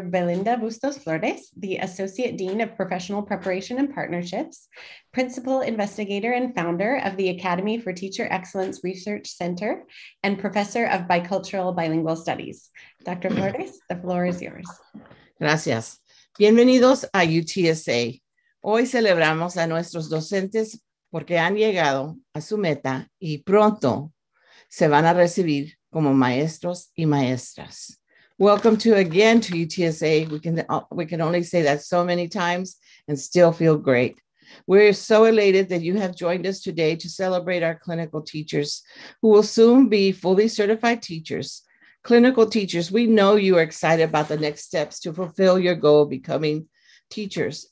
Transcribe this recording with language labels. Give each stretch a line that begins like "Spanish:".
English: Belinda Bustos Flores, the Associate Dean of Professional Preparation and Partnerships, Principal Investigator and Founder of the Academy for Teacher Excellence Research Center, and Professor of Bicultural Bilingual Studies. Dr. Flores, the floor is yours.
Spanish: Gracias. Bienvenidos a UTSA. Hoy celebramos a nuestros docentes porque han llegado a su meta y pronto se van a recibir como maestros y maestras.
English: Welcome to again to UTSA. We can only say that so many times and still feel great. We're so elated that you have joined us today to celebrate our clinical teachers who will soon be fully certified teachers. Clinical teachers, we know you are excited about the next steps to fulfill your goal of becoming teachers.